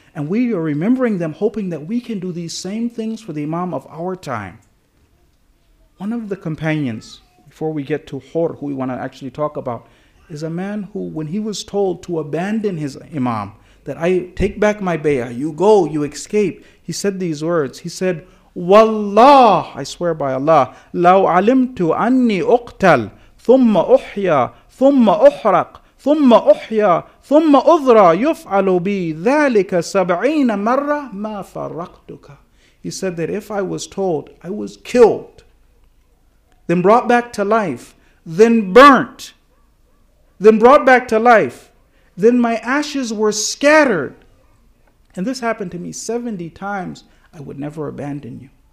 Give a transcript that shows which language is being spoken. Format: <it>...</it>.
<en>And we are remembering them, hoping that we can do these same things for the Imam of our time. One of the companions, before we get to Hur, who we want to actually talk about, is a man who, when he was told to abandon his Imam, that I take back my bay'ah, you go, you escape, he said these words. He said, Wallah, I swear by Allah,</en> <ar>لو علمت أني أقتل ثم أحيا ثم أحرق ثم أحيا ثم أذرى يفعل بي ذلك سبعين مرة ما فرقتك.</ar> <en>He said that if I was told I was killed, then brought back to life, then burnt, then brought back to life, then my ashes were scattered, and this happened to me 70 times, I would never abandon you.</en>